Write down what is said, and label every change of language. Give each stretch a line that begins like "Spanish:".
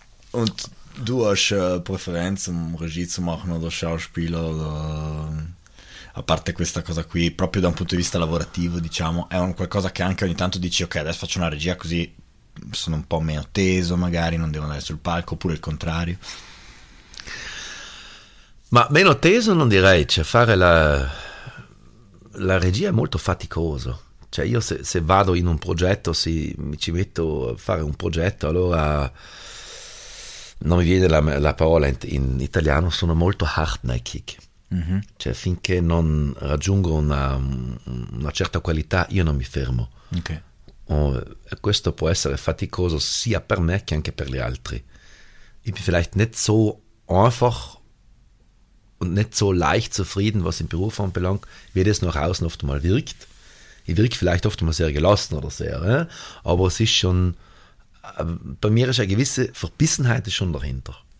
German: Und du hast Präferenz, um Regie zu machen oder Schauspieler oder...
Italian: A parte questa cosa qui, proprio da un punto di vista lavorativo, diciamo, è un qualcosa che anche ogni tanto dici, ok, adesso faccio una regia così sono un po' meno teso, magari non devo andare sul palco, oppure il contrario. Ma meno teso non direi, cioè fare la regia è molto faticoso. Cioè io se vado in un progetto, se mi ci metto a fare un progetto, allora non mi viene la parola in italiano, sono molto hartnäckig. Cioè, finché non raggiungo una certa qualità, io non mi fermo. Okay. Questo può essere faticoso sia per me che anche per gli altri.
German: Ich bin vielleicht nicht so einfach und nicht so leicht zufrieden, was im Beruf anbelangt, wie das nach außen oft mal wirkt. Ich wirke vielleicht oft mal sehr gelassen oder sehr, aber es ist schon, bei mir ist eine gewisse Verbissenheit schon dahinter.